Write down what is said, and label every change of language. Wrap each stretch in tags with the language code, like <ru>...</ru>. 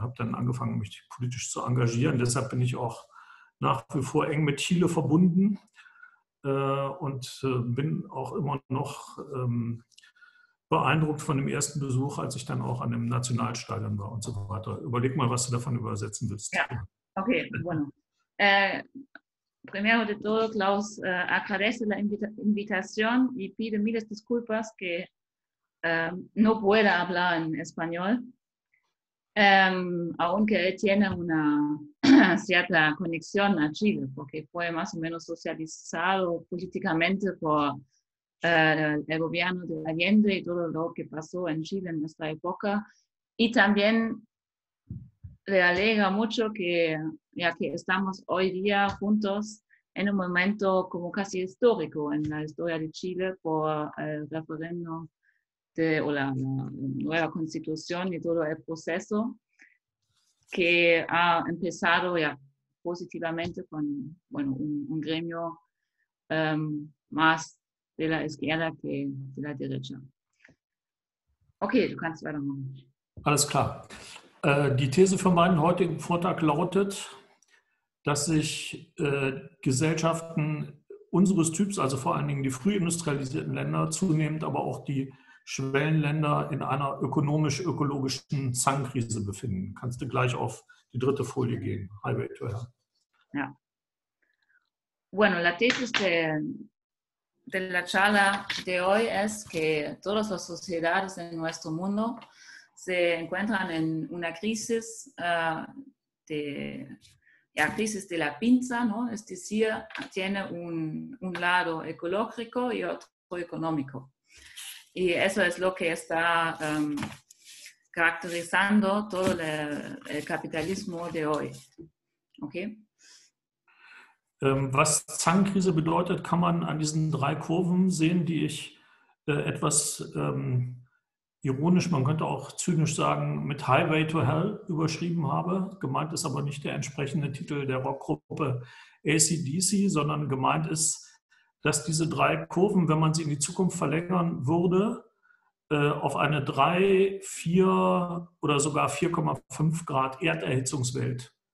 <de>Habe dann angefangen, mich politisch zu engagieren. Deshalb bin ich auch nach wie vor eng mit Chile verbunden und bin auch immer noch beeindruckt von dem ersten Besuch, als ich dann auch an dem Nationalstadion war und so weiter. Überleg mal, was du davon übersetzen willst. Ja, okay, bueno.</de> <es>Primero de todo, Klaus, agradece la invitación y pide miles disculpas que no pueda hablar en español, aunque él tiene una cierta conexión a Chile, porque fue más o menos socializado políticamente por el gobierno de Allende y todo lo que pasó en Chile en nuestra época. Y también le alegra mucho que, ya que estamos hoy día juntos en un momento como casi histórico en la historia de Chile por el referendo de, o la nueva constitución y todo el proceso que ha empezado ya positivamente con, bueno, un gremio más de la izquierda que de la derecha.</es> <de>Okay, du kannst weitermachen. Alles klar. Die These für meinen heutigen Vortrag lautet, dass sich Gesellschaften unseres Typs, also vor allen Dingen die frühindustrialisierten Länder, zunehmend aber auch die Schwellenländer in einer ökonomisch-ökologischen Zangenkrise befinden. Kannst du gleich auf die dritte Folie gehen?</de> <en>Highway to Hell.</en> <de>Ja.</de> <es>Bueno, la tesis de la charla de hoy es que todas las sociedades en nuestro mundo se encuentran en una crisis de la crisis de la pinza, ¿no? Es decir, tiene un lado ecológico y otro económico. Y eso es lo que está caracterizando todo el capitalismo de hoy. ¿Okay?</es> <de>Was Zangenkrise bedeutet, kann man an diesen drei Kurven sehen, die ich etwas ironisch, man könnte auch zynisch sagen, mit Highway to Hell überschrieben habe. Gemeint ist aber nicht der entsprechende Titel der Rockgruppe AC/DC, sondern gemeint ist, dass diese drei Kurven, wenn man sie in die Zukunft verlängern würde, auf eine 3, 4 oder sogar 4,5 Grad Erderhitzungswelt</de>